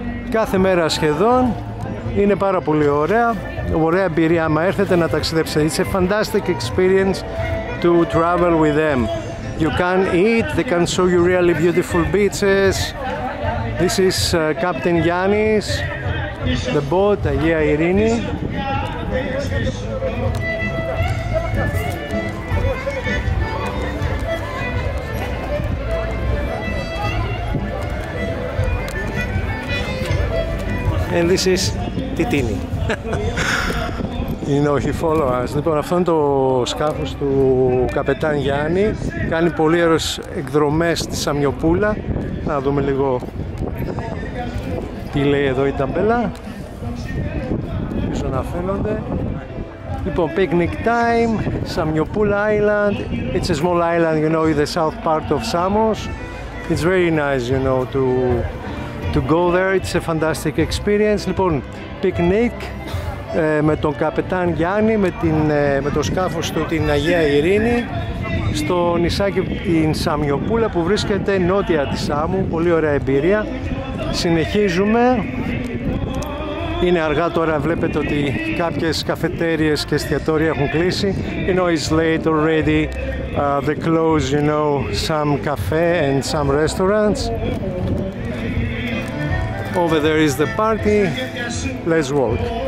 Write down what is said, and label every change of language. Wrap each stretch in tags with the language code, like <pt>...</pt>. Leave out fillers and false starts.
<el>Κάθε μέρα σχεδόν είναι πάρα πολύ ωραία. Ωραία εμπειρία άμα έρθετε να ταξιδέψετε.</el> <en>It's a fantastic experience to travel with them. You can eat, they can show you really beautiful beaches. This is Captain Yannis. The boat, Αγία Ειρήνη. And this is Τιτίνι. You know, he follow us.</en> <el>Λοιπόν, αυτό είναι το σκάφος του καπετάν Γιάννη. Κάνει πολύ ωραίες εκδρομές στη Σαμιοπούλα. Να δούμε λίγο τι λέει εδώ η ταμπέλα. Ελπίζω να φαίνονται.</el> <en>Λοιπόν, picnic time, Σαμιοπούλα Island. It's a small island, you know, in the south part of Samos. It's very nice, you know, to go there. It's a fantastic experience.</en> <el>Λοιπόν, picnic με τον καπετάν Γιάννη, με το σκάφος του την Αγία Ειρήνη, στο νησάκι την Σαμιοπούλα που βρίσκεται νότια της Σάμου. Πολύ ωραία εμπειρία. Συνεχίζουμε. Είναι αργά τώρα, βλέπετε ότι κάποιες καφετέριες και εστιατόρια έχουν κλείσει.</el> <en>You know, it's late already. They close, you know, some cafe and some restaurants. Over there is the party. Let's walk.</en>